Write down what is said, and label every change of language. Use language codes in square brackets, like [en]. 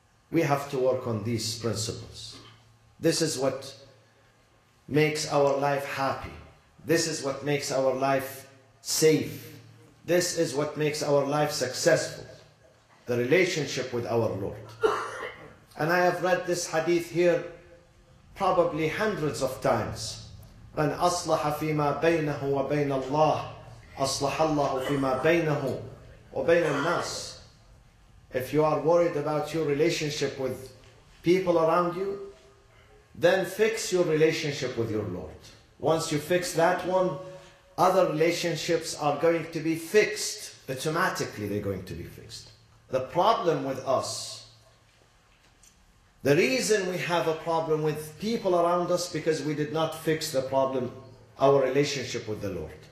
[en] We have to work on these principles. This is what makes our life happy. This is what makes our life safe. This is what makes our life successful. The relationship with our Lord. And I have read this hadith here probably hundreds of times. [ar] من أصلح فيما بينه وبين الله أصلح الله فيما بينه وبين الناس. [en] If you are worried about your relationship with people around you, then fix your relationship with your Lord. Once you fix that one, other relationships are going to be fixed. Automatically they're going to be fixed. The problem with us, the reason we have a problem with people around us, because we did not fix the problem, our relationship with the Lord.